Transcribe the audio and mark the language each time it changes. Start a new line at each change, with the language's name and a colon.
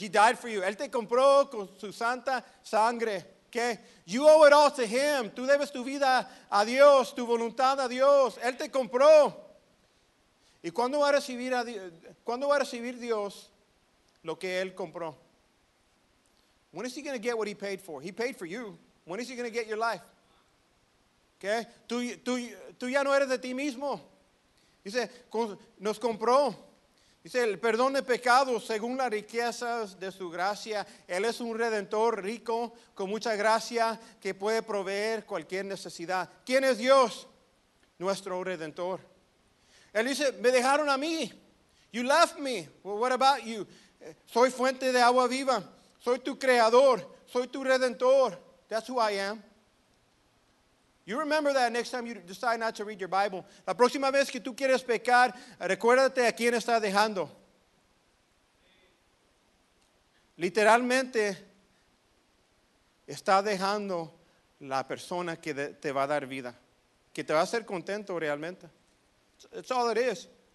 English: He died for you.
Spanish: Él te compró con su santa sangre. ¿Qué?
English: You owe it all to Him.
Spanish: Tú debes tu vida a Dios, tu voluntad a Dios. Él te compró. ¿Y cuándo va a recibir a Dios, cuándo va a recibir Dios lo que él compró?
English: When is he going to get what he paid for? He paid for you. When is he going to get your life?
Spanish: Okay? Tú ya no eres de ti mismo. Dice, nos compró. Dice, el perdón de pecados según las riquezas de su gracia. Él es un redentor rico con mucha gracia que puede proveer cualquier necesidad. ¿Quién es Dios? Nuestro redentor. Él dice, me dejaron a mí.
English: You left me. Well, what about you?
Spanish: Soy fuente de agua viva. Soy tu creador. Soy tu redentor.
English: That's who I am. You remember that next time you decide not to read your Bible.
Spanish: La próxima vez que tú quieres pecar, recuérdate a quién estás dejando. Literalmente, estás dejando la persona que te va a dar vida, que te va a hacer contento realmente.
English: That's all it is.